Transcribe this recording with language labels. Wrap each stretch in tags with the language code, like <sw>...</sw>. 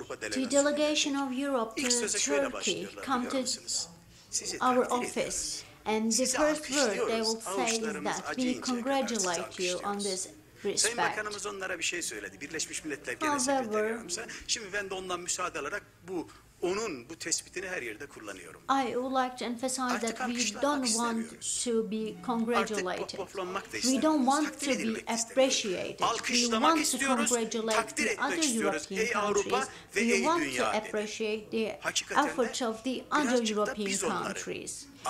<en>The delegation of Europe to Turkey come to our office, and the first word they will say is that we congratulate you on this respect.</en> <tr>Sayın Bakanımız onlara bir şey söyledi. Birleşmiş Milletler genel sekreteri. Şimdi ben de ondan müsaade alarak bu onun bu tespitini her yerde kullanıyorum.</tr> <en>I would like to emphasize that we don't want to be congratulated. We don't want to be appreciated. We want to congratulate the other European countries. We want to appreciate the efforts of the other European countries.</en>